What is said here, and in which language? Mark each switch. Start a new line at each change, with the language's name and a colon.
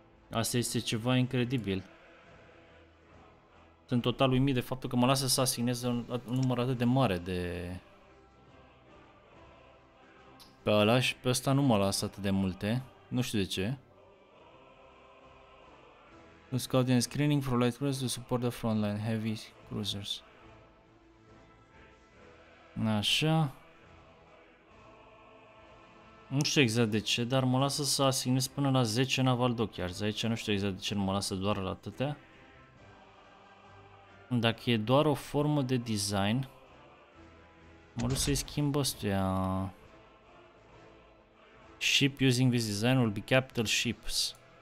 Romanian: Asta este ceva incredibil. Sunt total uimit de faptul că mă lasă să asigneze un număr atât de mare de... Pe ăla și pe ăsta nu mă lasă atât de multe. Nu știu de ce.
English: The scouting screening for light cruisers to support the frontline heavy cruisers.
Romanian: Așa. Nu știu exact de ce, dar mă lasă să asignez până la 10 naval dockyards. Aici nu știu exact de ce nu mă lasă doar la atâtea. Dacă e doar o formă de design, mă rog să-i schimb ăstuia.
English: Ship using this design will be capital ships.